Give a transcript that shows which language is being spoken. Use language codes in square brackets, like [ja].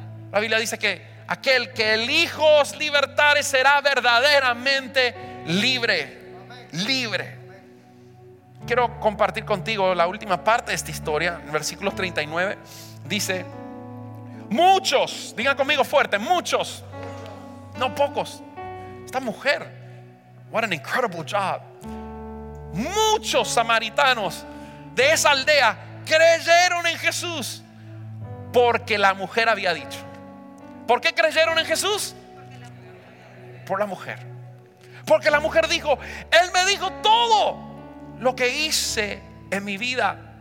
[es] La Biblia dice que aquel que el Hijo os libertare será verdaderamente libre. Libre. Quiero compartir contigo la última parte de esta historia. En versículos 39 dice: muchos, digan conmigo fuerte, muchos, no pocos. Esta mujer, [en] what an incredible job. [es] Muchos samaritanos de esa aldea creyeron en Jesús porque la mujer había dicho. ¿Por qué creyeron en Jesús? Por la mujer. Porque la mujer dijo: Él me dijo todo lo que hice en mi vida.